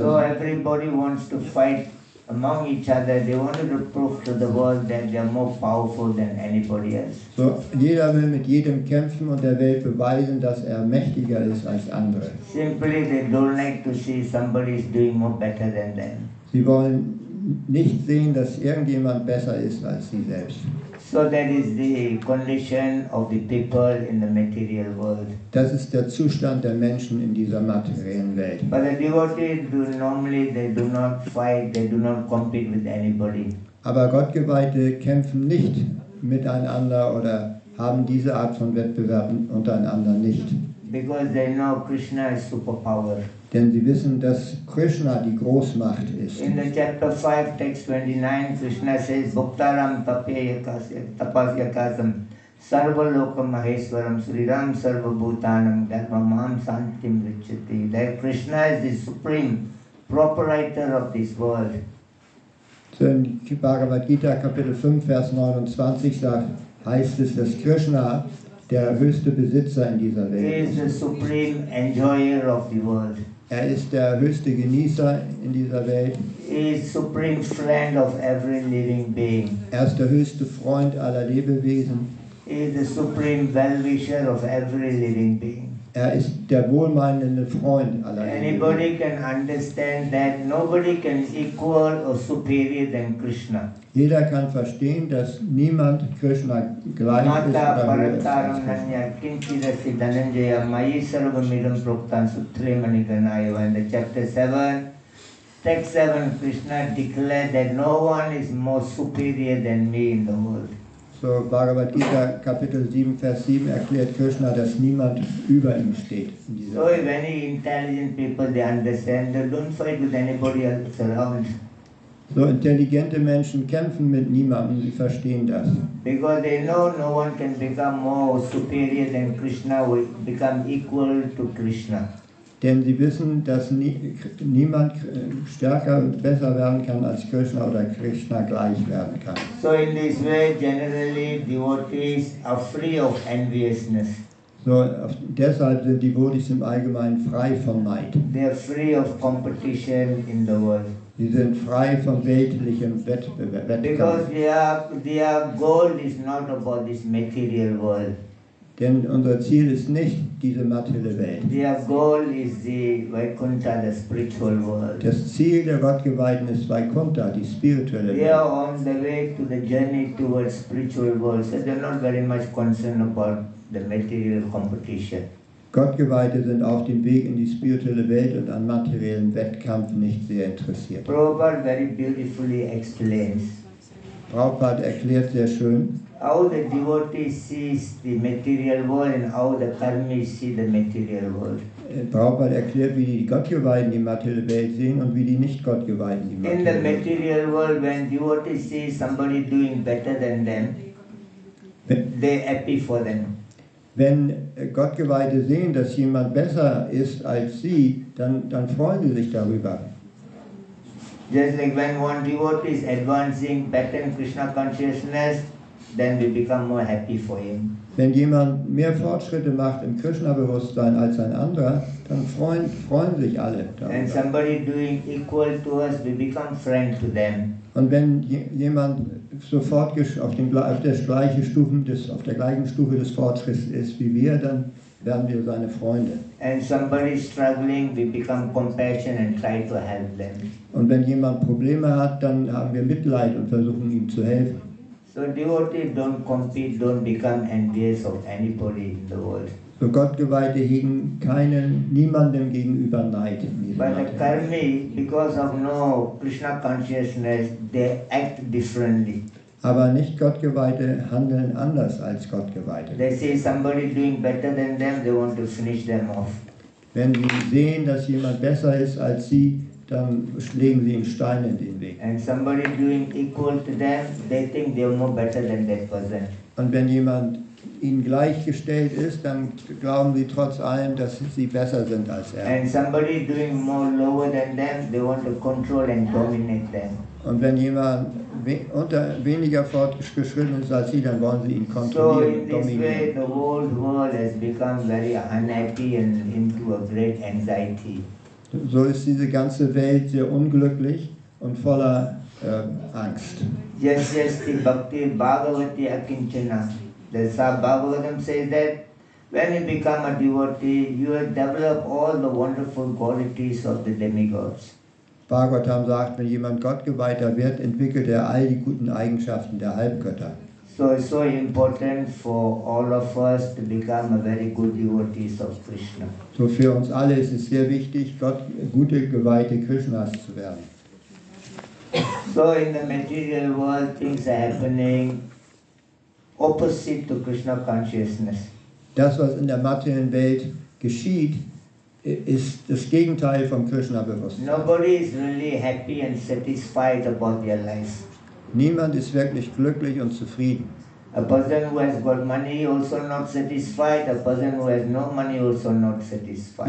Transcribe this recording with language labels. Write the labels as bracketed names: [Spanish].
[English] So everybody wants to fight among each other. They wanted to prove to the world that they are more powerful than anybody else. [German] So jeder will mit jedem kämpfen und der Welt beweisen, dass er mächtiger ist als andere. [English] Simply they don't like to see somebody is doing more better than them. [German] Sie wollen nicht sehen, dass irgendjemand besser ist als sie selbst. [English] So that is the condition of the people in the material world. [German] Das ist der Zustand der Menschen in dieser materiellen Welt. [English] But the devotees do normally, they do not fight, they do not compete with anybody. [German] Aber Gottgeweihte kämpfen nicht miteinander oder haben diese Art von Wettbewerben untereinander nicht. [English] Because they know Krishna is superpower. [German] Denn sie wissen, dass Krishna die Großmacht ist. [English] In the chapter 5, text 29, Krishna says, [Sanskrit] Bhuktaram tapasyakasam sarvalokam maheswaram sriram sarvabhutanam dharmamam santim richati. [English] That Krishna is the supreme proprietor of this world. [German] So in Bhagavad Gita, Kapitel 5, Vers 29, heißt es, dass Krishna der höchste Besitzer in dieser Welt ist. [English] He is the supreme enjoyer of the world. [German] Er ist der höchste Genießer in dieser Welt. [English] He is supreme friend of every living being. [German] Er ist der höchste Freund aller Lebewesen. [English] He is the supreme well-wisher of every living being. [German] Er ist der wohlmeinende Freund aller Lebewesen. [English] Anybody can understand that nobody can equal or superior than Krishna. [German] Jeder kann verstehen, dass niemand Krishna gleich ist oder höher ist. [Sanskrit] Mata parantaram nanya kinchidasi dhananjaya mayi sarvamidam proktan sutremani ganayava. [English] In the chapter 7, text 7, Krishna declared that no one is more superior than me in the world. [German] So Bhagavad Gita, Kapitel 7, Vers 7, erklärt Krishna, dass niemand über ihm steht. [English] So if any intelligent people, they understand, they don't fight with anybody else around. [German] So intelligente Menschen kämpfen mit niemandem, sie verstehen das. [English] Because they know no one can become more superior than Krishna, we become equal to Krishna. [German] Denn sie wissen, dass niemand stärker und besser werden kann als Krishna oder Krishna gleich werden kann. [English] So in this way generally devotees are free of enviousness. [German] So deshalb sind die Devotees im Allgemeinen frei von Neid. [English] They are free of competition in the world. [German] Sie sind frei von weltlichem Wettbewerb. [English] Because their goal is not about this material world. [German] Denn unser Ziel ist nicht diese materielle Welt. [English] Their goal is the Vaikuntha, the spiritual world. [German] Das Ziel der Gottgeweihten ist Vaikuntha, die spirituelle Welt. [English] They are on the way to the journey towards spiritual world, so they're not very much concerned about the material competition. [German] Gottgeweihte sind auf dem Weg in die spirituelle Welt und an materiellen Wettkampf nicht sehr interessiert. [English] Prabhupada very beautifully explains. [German] Prabhupada erklärt sehr schön, [English] how the devotee sees the material world and how the karmi see the material world. [German] Prabhupada erklärt, wie die Gottgeweihten die materielle Welt sehen und wie die Nicht-Gottgeweihten die materielle Welt sehen. [English] In the material world, when devotees see somebody doing better than them, they are happy for them. [German] Wenn Gottgeweihte sehen, dass jemand besser ist als sie, dann freuen sie sich darüber. [English] Just like when one devotee is advancing better in Krishna consciousness, then we become more happy for him. [German] Wenn jemand mehr Fortschritte macht im Krishna-Bewusstsein als ein anderer, dann freuen sich alle darüber. [English] And somebody doing equal to us, we become friend to them. [German] Und wenn jemand sofort auf der gleichen Stufe des Fortschritts ist wie wir, dann werden wir seine Freunde. [English] And somebody struggling, we become compassion and try to help them. [German] Und wenn jemand Probleme hat, dann haben wir Mitleid und versuchen ihm zu helfen. [English] So devotees don't compete, don't become envious of anybody in the world. [German] So Gottgeweihte hegen keinen, niemandem gegenüber Neid. [English] But the karmi, because of no Krishna consciousness, they act differently. [German] Aber nicht Gottgeweihte handeln anders als Gottgeweihte. [English] They see somebody doing better than them, they want to finish them off. [German] Wenn sie sehen, dass jemand besser ist als sie, dann legen sie ihm Steine in den Weg. [English] And somebody doing equal to them, they think they are more better than that person. [German] Und wenn jemand ihnen gleichgestellt ist, dann glauben sie trotz allem, dass sie besser sind als er. [English] And somebody doing more lower than them, they want to control and dominate them. [German] Und wenn jemand weniger fortgeschritten ist als sie, dann wollen sie ihn kontrollieren, dominieren. [English] So in this way, the whole world has become very unhappy and into a great anxiety. [German] So ist diese ganze Welt sehr unglücklich und voller Angst. [English] Yes, yes, the Bhakti Bhagavati Akinchana. The Sahib Bhagavatam says that when you become a devotee, you have developed all the wonderful qualities of the demigods. [German] Bhagavatam sagt, wenn jemand Gottgeweihter wird, entwickelt er all die guten Eigenschaften der Halbgötter. [English] So it's so important for all of us to become a very good devotees of Krishna. [German] So für uns alle ist es sehr wichtig, Gott gute Geweihte Krishnas zu werden. [English] So in the material world things are happening opposite to Krishna consciousness. [German] Das, was in der materiellen Welt geschieht, ist das Gegenteil von Krishna-Bewusstsein. [English] Nobody is really happy and satisfied about their life. [German] Niemand ist wirklich glücklich und zufrieden. [English] A person who has got money also not satisfied. A person who has no money also not satisfied.